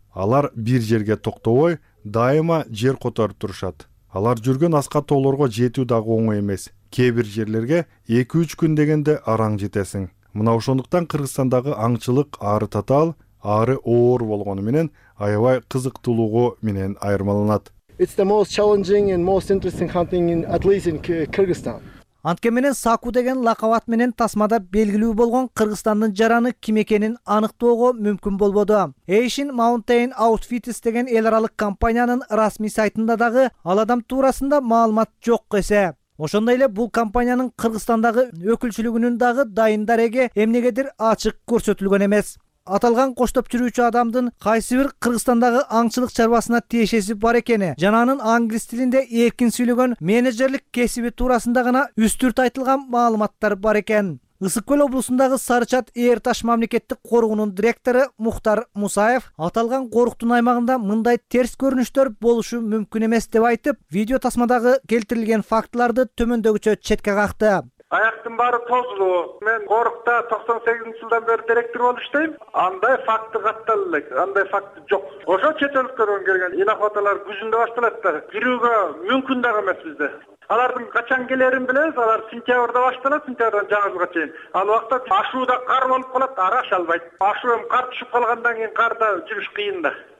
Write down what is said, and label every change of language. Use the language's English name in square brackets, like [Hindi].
[Kyrgyz] Алар бир жерге токтобой, дайыма жер которуп турушат. Алар жүргөн аска тоолорго жетүү дагы оңой эмес. Кээ бир жерлерге 2-3 күн дегенде араң жетесиң. Мына ошондуктан Кыргызстандагы аңчылык ары татаал, ары оор болгону менен аябай кызыктуулугу менен айырмаланат. [English] It's the most challenging and most interesting hunting in at least in Kyrgyzstan. [Kyrgyz] Антке менен Саку деген лакабат менен тасмада белгилүү болгон Кыргызстандын жараны ким экенин аныктоого мүмкүн болбоду. Asian Mountain Outfitters деген эл аралык компаниянын расмий сайтында дагы ал адам туурасында маалымат жок эсе. Ошондой эле бул компаниянын Кыргызстандагы өкүлчүлүгүнүн дагы дайындар эге эмнегедир ачык көрсөтүлгөн эмес. Аталган коштоп жүрүүчү адамдын кайсы бир Кыргызстандагы аңчылык чарбасына тиешеси бар экени жана анын англис тилинде эркин сүйлөгөн менеджерлик кесиби туурасында гана үстүрт айтылган маалыматтар бар экен. Ысык Көл облусундагы Сарычат Эр Таш мамлекеттик коругунун директору Мухтар Мусаев аталган коруктун аймагында мындай терс көрүнүштөр болушу мүмкүн эмес деп айтып, видео тасмадагы келтирилген фактыларды төмөндөгүчө четке какты. Аяктын баары тозулуу. Мен корукта 98 жылдан бери директор болуп иштейм. Андай факты катталы элек, андай факты жок. Ошо чет өлкөлөрдөн келген инохоталар күзүндө башталат да, кирүүгө мүмкүн дагы эмес бизде. Алардын качан келерин билебиз, алар сентябрда башталат, сентябрдан жазга чейин. Ал убакта ашууда кар болуп калат, араш албайт. Ашуу эми кар түшүп калгандан кийин карда жүрүш кыйын да.